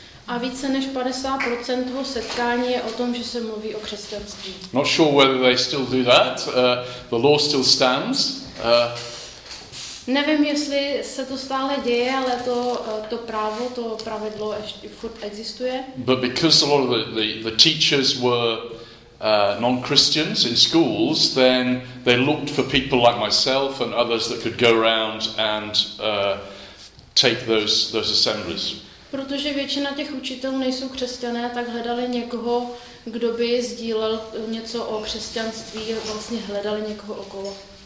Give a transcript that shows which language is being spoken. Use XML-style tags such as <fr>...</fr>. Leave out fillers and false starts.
<cs>A více než 50% toho setkání je o tom, že se mluví o křesťanství.</cs> <en>Not sure whether they still do that. The law still stands.</en> <cs>Nevím, jestli se to stále děje, ale to právo, to pravidlo ještě furt existuje.</cs> <en>But because a lot of the teachers were non-Christians in schools, then they looked for people like myself and others that could go around and take those assemblies.</en> <cs>Protože většina těch učitelů nejsou křesťané, tak hledali někoho, kdo by sdílel něco o křesťanství, vlastně hledali někoho okolo.</cs>